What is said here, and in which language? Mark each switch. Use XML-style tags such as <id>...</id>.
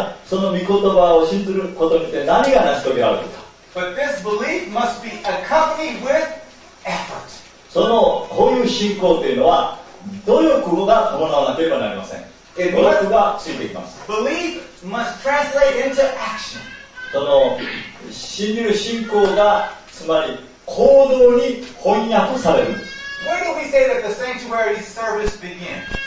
<ja>その御言葉を信じることによって何が成し遂げられるか。</ja> <en>But this belief must be accompanied with effort.</en> <ja>そのこういう信仰というのは努力が伴わなければなりません。努力がついていきます。</ja> <en>Believe must translate into action.</en> <ja>その信じる信仰がつまり行動に翻訳されるんです。</ja> <en>Where do we say that the sanctuary service begins?</en>